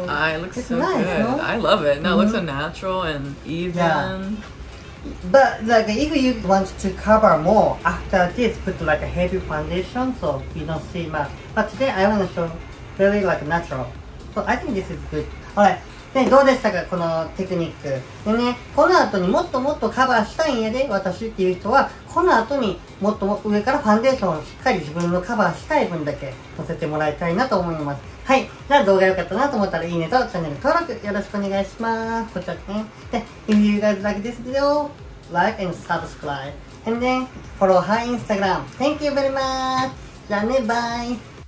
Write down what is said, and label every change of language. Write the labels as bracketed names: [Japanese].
[English] I look so nice, good. No? I love it. No, mm-hmm. It looks so natural and even. Yeah. But like, if you want to cover more after this, put like a heavy foundation so you don't see much. But today I want to show really like natural. So I think this is good. Alright, then [Japanese] どうでしたかこのテクニック。でね、この後にもっともっとカバーしたいんやで、私っていう人は、この後にもっと上からファンデーションをしっかり自分のカバーしたい分だけ乗せてもらいたいなと思います。はい。じゃあ動画良かったなと思ったらいいねとチャンネル登録よろしくお願いします。こちらね。 [English] で、If you guys like this video, like and subscribe. And then, follow her Instagram. Thank you very much. [Japanese] じゃあね、バイ。